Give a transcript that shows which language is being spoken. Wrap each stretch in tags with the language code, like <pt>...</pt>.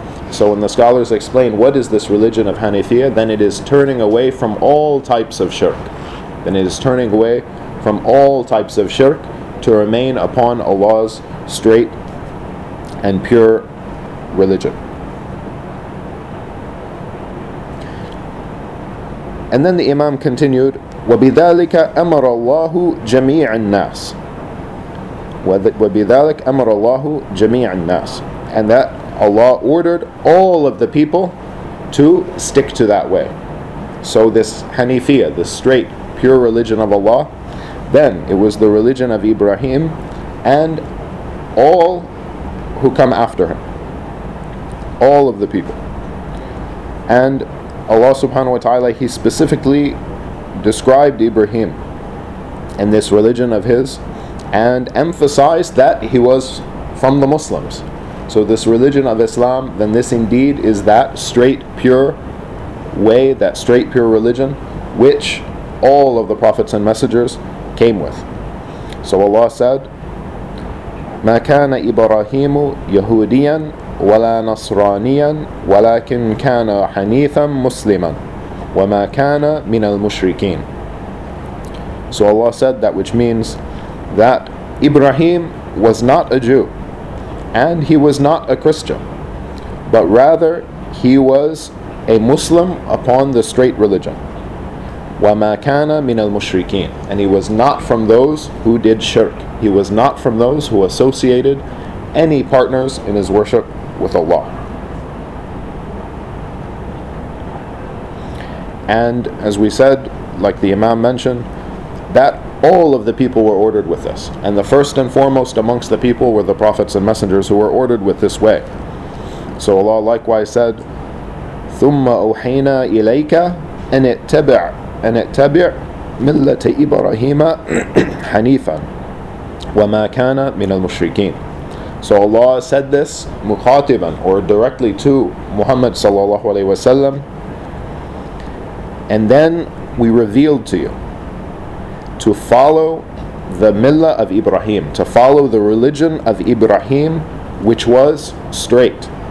<en>So when the scholars explain what is this religion of Hanifiyah, then it is turning away from all types of shirk. Then it is turning away from all types of shirk to remain upon Allah's straight and pure religion. And then the Imam continued,</en> <ar>وَبِذَلِكَ أَمَرَ اللَّهُ جَمِيعَ النَّاسِ وَبِذَلِكَ أَمَرَ اللَّهُ جَمِيعَ النَّاسِ.</ar> <en>And that Allah ordered all of the people to stick to that way. So this Hanifiyah, this straight, pure religion of Allah. Then it was the religion of Ibrahim and all who come after him. All of the people. And Allah subhanahu wa ta'ala, He specifically described Ibrahim in this religion of his and emphasized that he was from the Muslims. So this religion of Islam, then this indeed is that straight, pure way, that straight, pure religion, which all of the prophets and messengers came with. So Allah said,</en> <ar>مَا كَانَ إِبْرَاهِيمُ يَهُودِيًا وَلَا نَصْرَانِيًا وَلَكِنْ كَانَ حَنِيثًا مُسْلِمًا وَمَا كَانَ مِنَ الْمُشْرِكِينَ.</ar> <en>So Allah said that, which means that Ibrahim was not a Jew and he was not a Christian, but rather he was a Muslim upon the straight religion.</en> <ar>وَمَا كَانَ مِنَ الْمُشْرِكِينَ.</ar> <en>And he was not from those who did shirk. He was not from those who associated any partners in his worship with Allah. And as we said, like the Imam mentioned, that all of the people were ordered with this. And the first and foremost amongst the people were the prophets and messengers who were ordered with this way. So Allah likewise said,</en> <ar>ثُمَّ أُوحَيْنَا إِلَيْكَ أَنِتَّبِعْ مِلَّةَ إِبْرَاهِيمَ حَنِيفًا وَمَا كَانَ مِنَ الْمُشْرِكِينَ.</ar> <en>So Allah said this مُخَاطِبًا, or directly to Muhammad sallallahu alayhi wasallam, and then we revealed to you to follow the millah of Ibrahim, to follow the religion of Ibrahim, which was straight.</en>